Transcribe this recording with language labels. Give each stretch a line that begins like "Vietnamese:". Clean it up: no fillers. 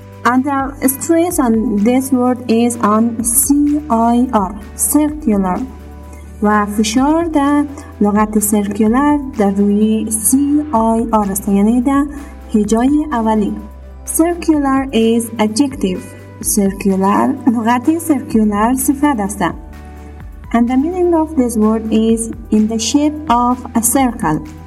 English: And the stress on this word is on C I R. Circular.
Persian: و فشار در لغت circular در روی C I R است، یعنی در هجای اولی.
English: Circular is adjective. Circular,
Persian: لغت circular صفت است.
English: And the meaning of this word is in the shape of a circle.